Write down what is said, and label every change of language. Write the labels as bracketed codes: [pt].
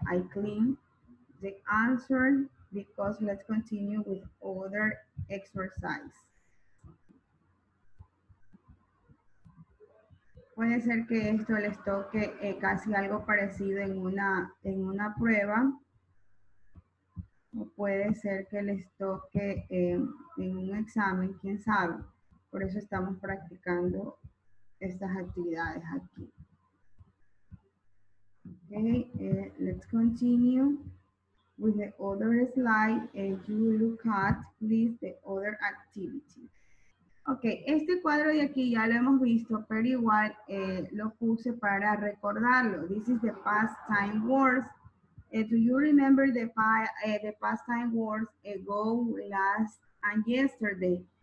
[en] I clean the answer because let's continue with other exercise. [es] Puede ser que esto les toque casi algo parecido en una prueba. O puede ser que les toque en un examen, quién sabe. Por eso estamos practicando estas actividades aquí. [en] Ok, let's continue with the other slide. You look at, please, the other activity. [es] Ok, este cuadro de aquí ya lo hemos visto, pero igual lo puse para recordarlo. [en] This is the past time words. Do you remember the past time words ago, last, and yesterday?